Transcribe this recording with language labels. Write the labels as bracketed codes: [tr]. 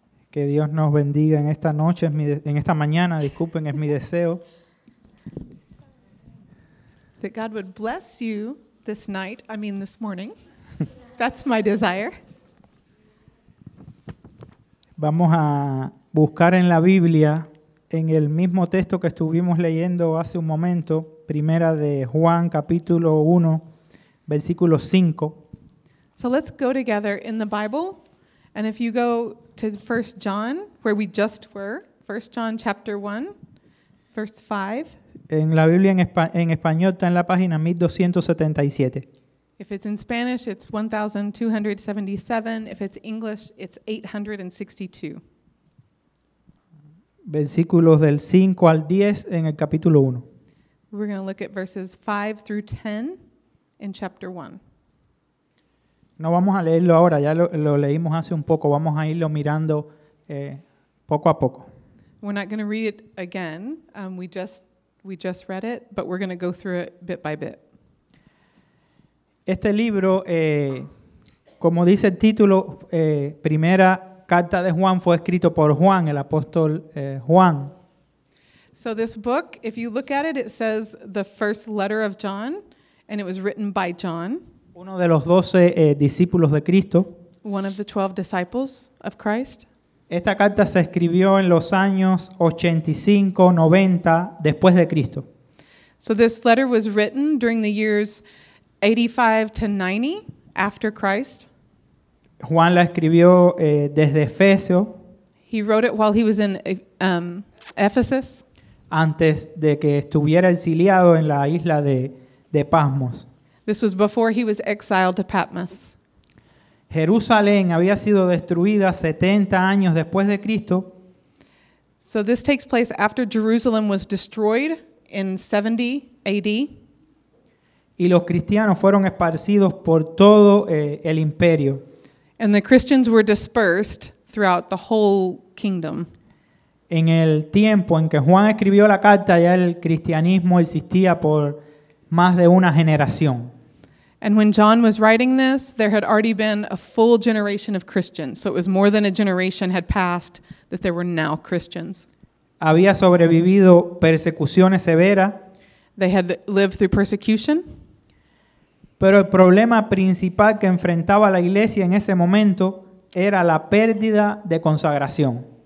[es] Que Dios nos bendiga en esta noche, en esta mañana, disculpen, es mi deseo. [en] That God would bless you this night, I mean this morning. That's my desire. [es] Vamos a buscar en la Biblia, en el mismo texto que estuvimos leyendo hace un momento, primera de Juan, capítulo 1, versículo 5. [en] So let's go together in the Bible, and if you go to 1 John, where we just were, 1 John chapter 1, verse 5. [es] En la Biblia en español está en la página 1277. [en] If it's in Spanish, it's 1277. If it's English, it's 862. [es] Versículos del 5 al 10 en el capítulo 1. [en] We're going to look at verses 5 through 10 in chapter 1. [es] No vamos a leerlo ahora, ya lo leímos hace un poco. Vamos a irlo mirando poco a poco. [en] We're not going to read it again. We just read it, but we're going to go through it bit by bit. [es] Este libro, como dice el título, primera carta de Juan fue escrito por Juan, el apóstol Juan. [en] So this book, if you look at it, it says the first letter of John, and it was written by John. [es] Uno de los 12 discípulos de Cristo. [en] One of the 12 disciples of Christ. [es] Esta carta se escribió en los años 85-90 después de Cristo. [en] So this letter was written during the years 85 to 90 after Christ. [es] Juan la escribió desde Efesio. [en] He wrote it while he was in Ephesus. [es] Antes de que estuviera exiliado en la isla de Patmos. [en] This was before he was exiled to Patmos. [es] Jerusalén había sido destruida 70 años después de Cristo. [en] So this takes place after Jerusalem was destroyed in 70 AD. [es] Y los cristianos fueron esparcidos por todo el imperio. [en] And the Christians were dispersed throughout the whole kingdom. [es] En el tiempo en que Juan escribió la carta, ya el cristianismo existía por más de una generación. [en] And when John was writing this, there had already been a full generation of Christians. So it was more than a generation had passed that there were now Christians. [es] Había sobrevivido persecuciones severas. [en] They had lived through persecution. [es] Pero el problema principal que enfrentaba la iglesia en ese momento era la pérdida de consagración.